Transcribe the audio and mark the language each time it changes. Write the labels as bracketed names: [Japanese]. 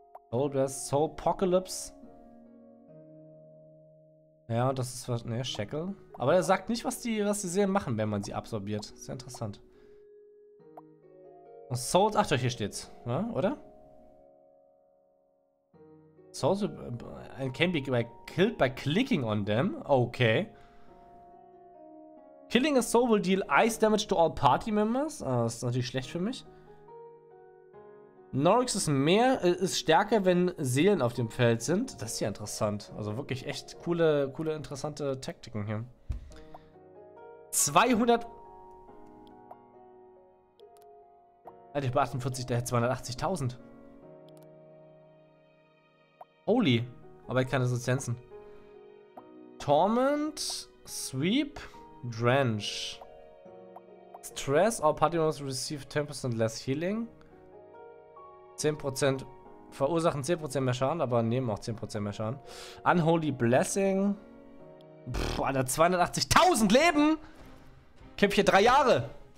[English] Soul Blast, Soul Apocalypse. [German] Ja, das ist was, ne, Shackle. Aber er sagt nicht, was die Seelen machen, wenn man sie absorbiert. Sehr interessant. Und Soul, ach doch, hier steht's, ne, oder? [English] Souls can be killed by clicking on them. Okay. Killing a soul will deal ice damage to all party members. [German] Das ist natürlich schlecht für mich. Norix ist stärker, wenn Seelen auf dem Feld sind. Das ist ja interessant. Also wirklich echt coole, interessante Taktiken hier. 200. Hätte ich bei 48, der hätte 280.000. [English] Holy. [German] Aber ich kann Resistenzen. [English] Torment. Sweep. Drench. Stress. All party members receive 10% less healing. [German] 10% verursachen 10% mehr Schaden, aber nehmen auch 10% mehr Schaden. Unholy Blessing. Puh, Alter, 280.000 Leben! Kämpf hier 3 Jahre!